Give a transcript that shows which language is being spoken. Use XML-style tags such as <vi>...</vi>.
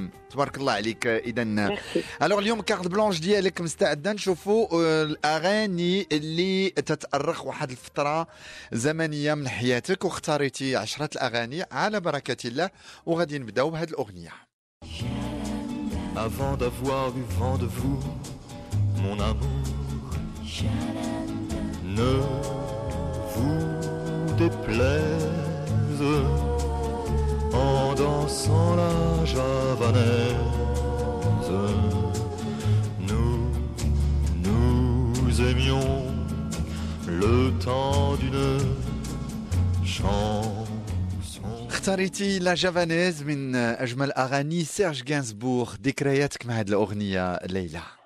<ar>تبارك الله عليك. إذن ألوغ اليوم كارت بلانش ديالك مستعدة، نشوفوا الأغاني اللي تتأرخ واحد الفترة زمنية من حياتك، واختاريتي 10 الأغاني على بركة الله، وغادي نبدأ بهذه الأغنية.</ar> <fr>Avant d'avoir eu vent de vous, mon amour, ne vous déplaise en dansant la javanaise. Nous, nous aimions le temps d'une chanson.</fr> <ar>اختاريتي لا جافانيز من اجمل اغاني سيرج غينزبورغ. ذكرياتك مع هذه الاغنيه ليلى؟</ar>